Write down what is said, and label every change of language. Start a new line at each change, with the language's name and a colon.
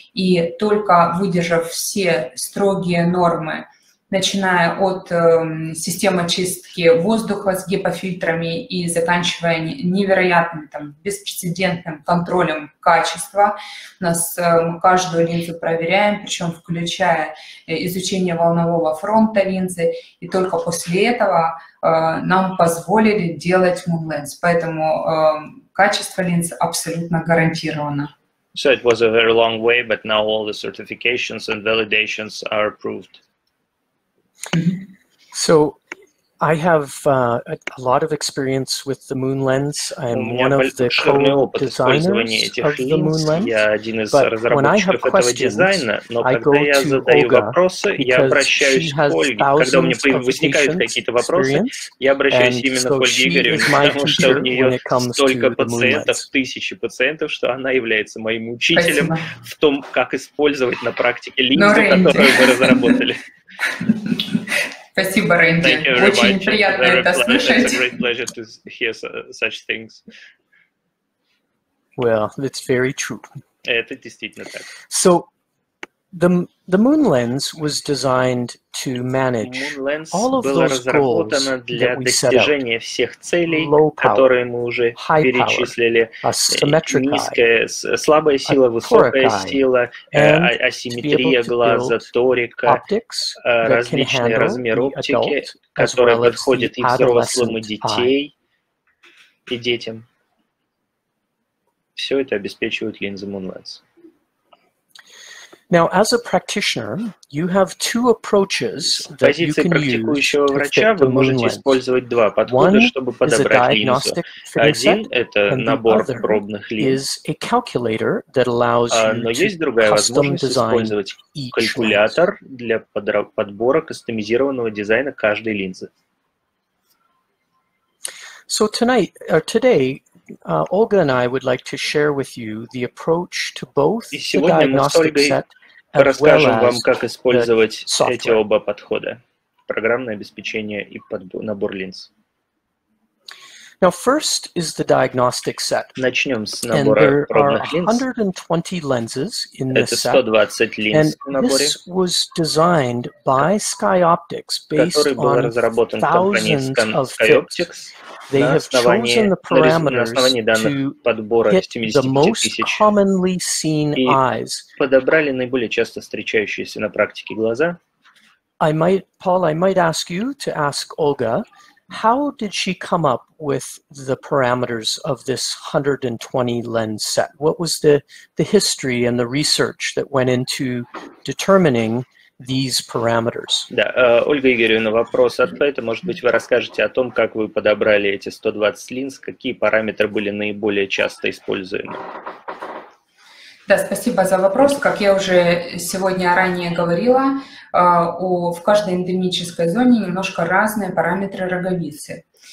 Russian: И только выдержав все строгие нормы, начиная от системы очистки воздуха с гипофильтрами и заканчивая невероятным, там, беспрецедентным контролем качества. У нас мы каждую линзу проверяем, причем включая изучение волнового фронта линзы, и только после этого нам позволили делать MoonLens. Поэтому Качество линз абсолютно гарантировано.
English: So it was a very long way, but now all the certifications and validations are approved. So I have a lot of experience with the moon lens. I am one of the co-designers of the moon lens. But when I have questions, I go to Olga, because she has thousands of patient experience, and so she is my teacher when it comes to the moon lens.
Russian: Тысячи пациентов, что она является моим учителем в том, как использовать на практике линзы, которые мы разработали. Спасибо, Рэнди. Очень приятно это слышать.
English: It's a great pleasure to hear such things. Well, that's very true.
Russian: Это действительно так.
English: So, the moon lens was designed to manage all of those goals that we set up.
Russian: Для достижения всех целей, которые мы уже перечислили, низкая, слабая сила, высокая сила, асимметрия глаза, торика, различные размеры оптики, которые подходят и взрослым, и детей, и детям. Все это обеспечивают линзы MoonLens.
English: Now, as a practitioner, you have two approaches that you can use.
Russian: Позиции практикующего врача вы можете использовать два подхода, чтобы подобрать линзу. Один – это набор пробных линз. Но есть другая возможность использовать калькулятор для подбора кастомизированного дизайна каждой линзы.
English: So tonight, or today, Olga and I would like to share with you the approach to both the diagnostic set.
Russian: Расскажем вам, как использовать эти оба подхода. Программное обеспечение и набор линз.
English: Now, first is the diagnostic set.
Russian: Начнем с набора пробных линз.
English: 120 lenses in this set.
Russian: Это 120 линз в наборе.
English: This was designed by SkyOptix based on thousands of SkyOptix. They have chosen the parameters to hit the most commonly seen eyes.
Russian: Подобрали наиболее часто встречающиеся на практике глаза.
English: I might ask you to ask Olga, how did she come up with the parameters of this 120 lens set? What was the history and the research that went into determining these parameters?
Russian: Да, Ольга Игоревна, вопрос от Пэта. Может быть, вы расскажете о том, как вы подобрали эти 120 линз, какие параметры были наиболее часто используемы? Да, спасибо за вопрос. Как я уже сегодня ранее говорила, в каждой эндемической зоне немножко разные параметры роговицы.